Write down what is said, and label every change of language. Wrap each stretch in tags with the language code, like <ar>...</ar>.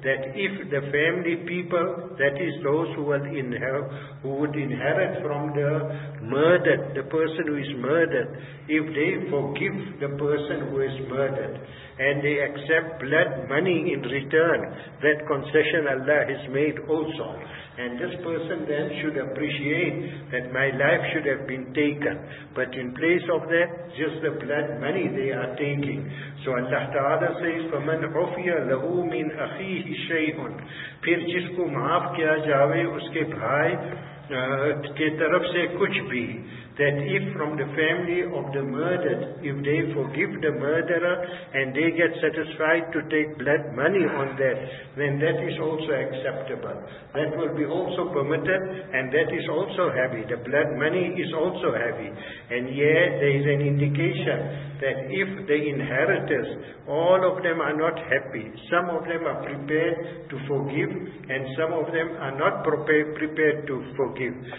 <en>That if the family people, that is those who would inherit from the murdered, the person who is murdered, if they forgive the person who is murdered, and they accept blood money in return, that concession Allah has made also. And this person then should appreciate that my life should have been taken. But in place of that, just the blood money they are taking. So Allah Ta'ala says,</en> <ar>فَمَنْ عُفِيَ لَهُ مِنْ أَخِيهِ شَيْهُنْ</ar> <ur>پھر جس کو معاف کیا جاوے اس کے بھائی کے طرف سے کچھ بھی.</ur> <en>That if from the family of the murdered, if they forgive the murderer and they get satisfied to take blood money on that, then that is also acceptable. That will be also permitted, and that is also heavy. The blood money is also heavy. And yet there is an indication that if the inheritors, all of them are not happy, some of them are prepared to forgive and some of them are not prepared to forgive.</en>